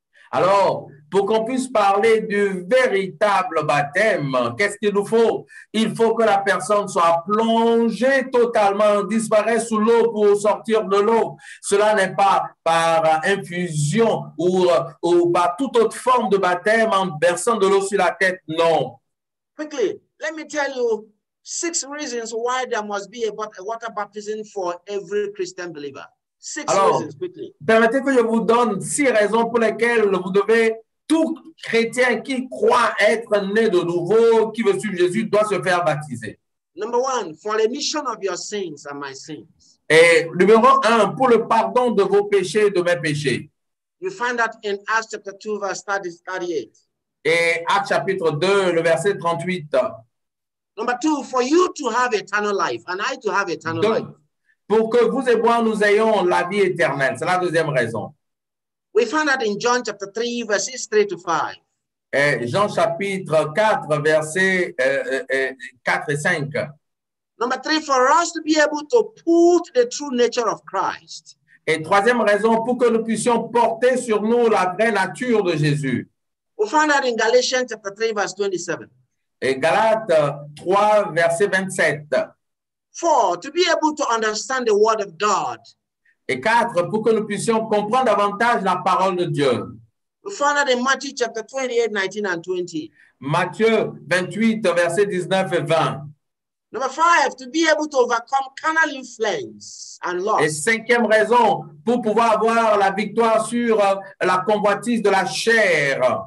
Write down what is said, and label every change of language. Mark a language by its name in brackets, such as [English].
[French] Alors, pour qu'on puisse parler du véritable baptême, qu'est-ce qu'il nous faut? Il faut que la personne soit plongée totalement, disparaisse sous l'eau pour sortir de l'eau. Cela n'est pas par infusion ou par toute autre forme de baptême en versant de l'eau sur la tête, non. [English] Quickly, let me tell you, 6 reasons why there must be a water baptism for every Christian believer. 6 reasons quickly. [French] Permettez que je vous donne 6 raisons pour lesquelles vous devez, tout chrétien qui croit être né de nouveau, qui veut suivre Jésus, doit se faire baptiser. [English] Number 1, for the remission of your sins and my sins. [French] Et numéro 1, pour le pardon de vos péchés et de mes péchés. [English] You find that in Acts chapter 2, verse 38. [French] Et Acts chapitre 2, le verset 38. [English] Number two, for you to have eternal life and I to have eternal [French] Donc, [English] life. [French] Pour que vous et moi nous ayons la vie éternelle, c'est la deuxième raison. [English] We find that in John chapter 3, verses 3 to 5. [French] Et Jean chapitre 4, versets 4 et 5. [English] Number three, for us to be able to put the true nature of Christ. [French] Et troisième raison, pour que nous puissions porter sur nous la vraie nature de Jésus. [English] We find that in Galatians chapter 3, verse 27. [French] Et Galates 3, verset 27. [English] Four, to be able to understand the word of God. [French] Et quatre, pour que nous puissions comprendre davantage la parole de Dieu. [English] We find that in Matthew chapter 28, 19 and 20. [French] Matthieu 28, verset 19 et 20. [English] Number five, to be able to overcome carnal influence and lust. [French] Et cinquième raison, pour pouvoir avoir la victoire sur la convoitise de la chair.